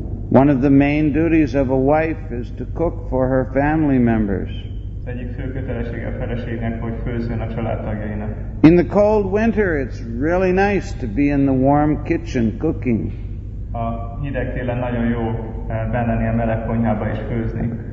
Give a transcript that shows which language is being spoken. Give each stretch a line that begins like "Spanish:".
English: One of the main duties of a wife is to cook for her family members.
Hungarian: Egyik fő kötelessége a feleségnek, hogy főzzön a családtagjainak.
English: In the cold winter, it's really nice to be in the warm kitchen cooking.
Hungarian: A hideg télen nagyon jó benne lenni a meleg konyhába és főzni.